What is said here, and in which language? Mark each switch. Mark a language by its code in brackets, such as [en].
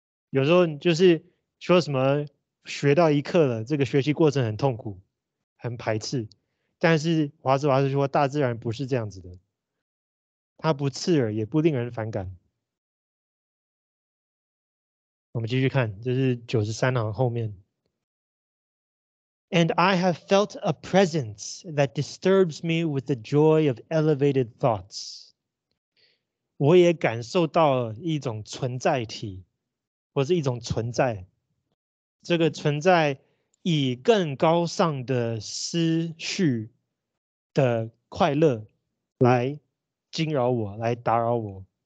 [zh] 有时候就是说什么学到一课了，这个学习过程很痛苦，很排斥。但是华兹瓦斯说，大自然不是这样子的，它不刺耳，也不令人反感。我们继续看，这是93行后面。 [en] And I have felt a presence that disturbs me with the joy of elevated thoughts. [zh] 我也感受到一种存在体，或是一种存在，这个存在以更高尚的思绪的快乐来惊扰我，来打扰我。